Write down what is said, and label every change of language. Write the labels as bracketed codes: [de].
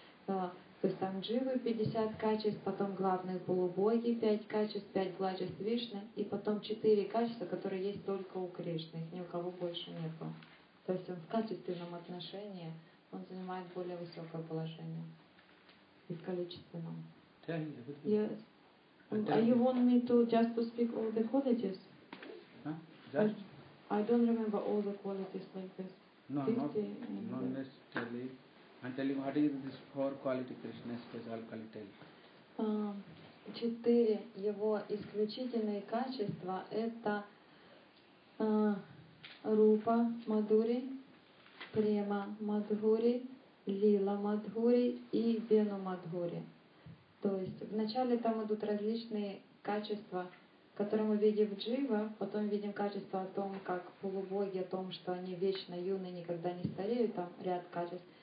[ru] То есть там дживы 50 качеств, потом главные полубоги 5 качеств, 5 качеств Вишны, и потом 4 качества, которые есть только у Кришны, их ни у кого больше нету. То есть он в качественном отношении, он занимает более высокое положение. И в количественном. [en] Yes. Are you want me to just to speak all the qualities? Just? I don't remember all the qualities like this. No, not necessarily. I'm telling you, what is this four quality Krishna special quality? [ru] Четыре его исключительные качества это рупа мадхури, према мадхури, лила мадхури и вену мадхури. То есть вначале там идут различные качества, которые мы видим в джива, потом видим качество о том, как полубоги, о том, что они вечно юны, никогда не стареют, там ряд качеств.